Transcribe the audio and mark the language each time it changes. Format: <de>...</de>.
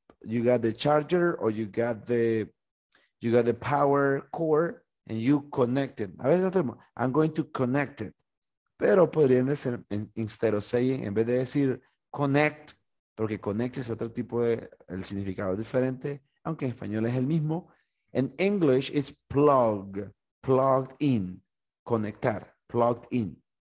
<en>You got the charger or you got the power cord. And you connect it.</en> <es>A veces tenemos,</es> <en>I'm going to connect it.</en> <es>Pero podrían decir,</es> <en>instead of saying,</en> <es>en vez de decir connect, porque connect es otro tipo de, el significado diferente, aunque en español es el mismo.</es> <en>En English it's plug, plugged in, conectar, plugged in.</en>